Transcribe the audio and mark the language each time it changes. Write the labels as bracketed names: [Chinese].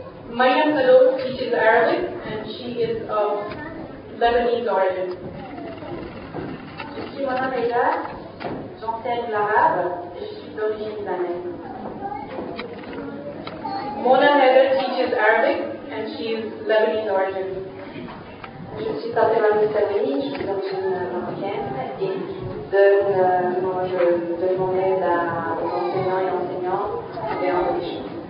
[English] Marianne Cadon teaches Arabic and she is of Lebanese origin. [French] Je suis Mona Meida, j'enseigne l'arabe et je suis d'origine libanaise. [English] Mona Heather teaches Arabic and she is Lebanese origin. [French] Je suis Tatiana Moussaoui, je suis d'origine marocaine et je donne mon aide aux enseignants et enseignantes et en religion.